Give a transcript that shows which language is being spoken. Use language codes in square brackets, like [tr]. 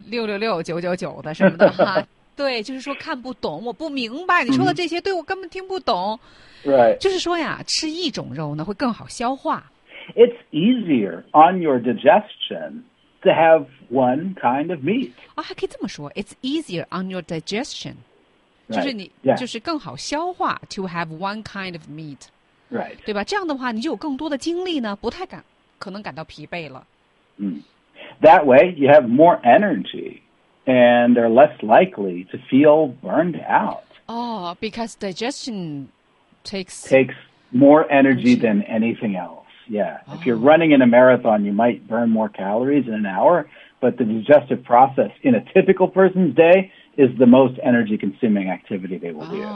[zh] 六六六九九九的什么的。对，就是说看不懂，我不明白你说的这些，对我根本听不懂。 [en] Right. [zh] 就是说呀，吃一种肉呢会更好消化。 [en] It's easier on your digestion to have one kind of meat. [zh] 还可以这么说 [en] ，It's easier on your digestion. Right. [zh] 就是你、 [en] yeah. [zh] 就是更好消化 [en] to have one kind of meat. Right. [zh] 对吧？这样的话，你就有更多的精力呢，不太感可能感到疲惫了。 [en] That way you have more energy. And they're less likely to feel burned out. Because digestion takes more energy than anything else. Yeah. If you're running in a marathon, you might burn more calories in an hour, but the digestive process in a typical person's day is the most energy consuming activity they will do.